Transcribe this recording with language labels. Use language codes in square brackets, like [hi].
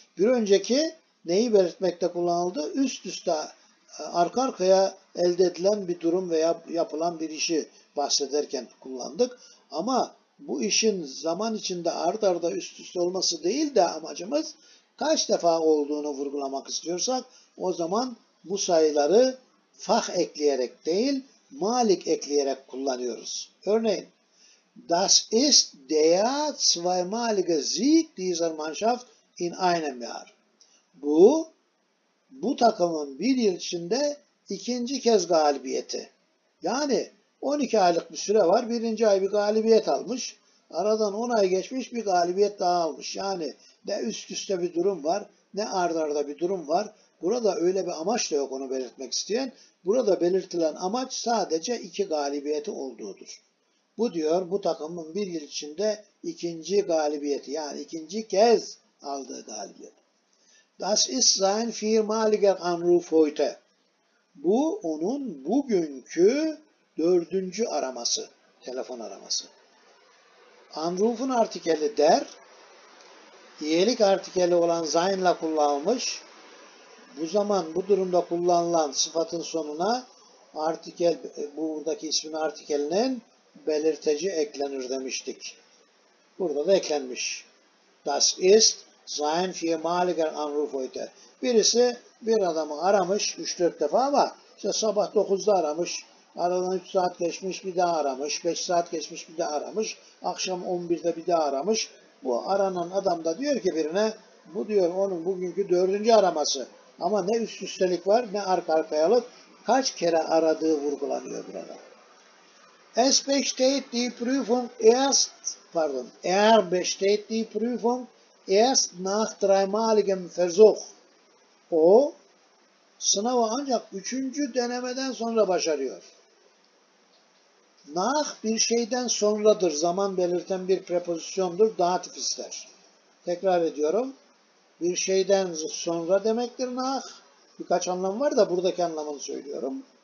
[tr] Bir önceki neyi belirtmekte kullanıldı? Üst üste arka arkaya elde edilen bir durum veya yapılan bir işi bahsederken kullandık. Ama bu işin zaman içinde art arda üst üste olması değil de amacımız kaç defa olduğunu vurgulamak istiyorsak o zaman bu sayıları fah ekleyerek değil malik ekleyerek kullanıyoruz. Örneğin [de] das ist der zweimalige Sieg dieser Mannschaft in einem Jahr. [tr] Bu takımın bir yıl içinde ikinci kez galibiyeti. Yani 12 aylık bir süre var. Birinci ay bir galibiyet almış. Aradan 10 ay geçmiş bir galibiyet daha almış. Yani ne üst üste bir durum var ne ard arda bir durum var. Burada öyle bir amaç da yok onu belirtmek isteyen. Burada belirtilen amaç sadece iki galibiyeti olduğudur. Bu diyor bu takımın bir yıl içinde ikinci galibiyeti yani ikinci kez aldığı galibiyet. [de] Das ist sein viermaliger Anruf heute. [tr] Bu onun bugünkü dördüncü araması, telefon araması. Anruf'un artikeli der, iyelik artikeli olan sein'la kullanılmış. Bu zaman bu durumda kullanılan sıfatın sonuna artikel, buradaki ismin artikelinin belirteci eklenir demiştik. Burada da eklenmiş. [de] Das ist sein viermaliger Anruf heute. [tr] Birisi bir adamı aramış 3-4 defa ama işte sabah 9'da aramış. Aradan 3 saat geçmiş bir daha aramış. 5 saat geçmiş bir daha aramış. Akşam 11'de bir daha aramış. Bu aranan adam da diyor ki birine bu diyor onun bugünkü 4. araması. Ama ne üst üstelik var ne arka arkayalık. Kaç kere aradığı vurgulanıyor burada. [de] Es besteht die Prüfung erst, er besteht die Prüfung erst nach dreimaligem Versuch. [tr] O sınavı ancak 3. denemeden sonra başarıyor. Nach bir şeyden sonradır, zaman belirten bir prepozisyondur, datif ister. Tekrar ediyorum. Bir şeyden sonra demektir nach. Birkaç anlam var da buradaki anlamını söylüyorum.